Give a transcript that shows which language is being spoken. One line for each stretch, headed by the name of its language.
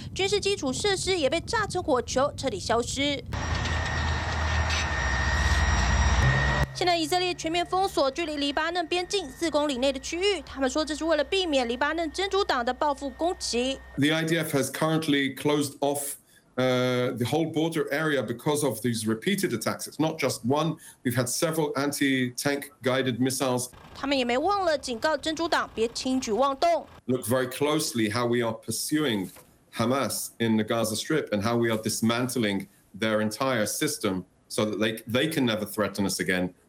Chinese: 与此同时，以色列部队朝北部边境开火，目标是被列为恐怖组织的黎巴嫩真主党。这间整栋大楼被炸粉碎，军事基础设施也被炸成火球，彻底消失。
English: The IDF has currently closed off the whole border area because of these repeated attacks. It's not just one. We've had several anti-tank guided missiles.
Chinese: 他们也没忘了警告真主党别轻举妄动.
English: Look very closely how we are pursuing Hamas in the Gaza Strip and how we are dismantling their entire system so that they can never threaten us again.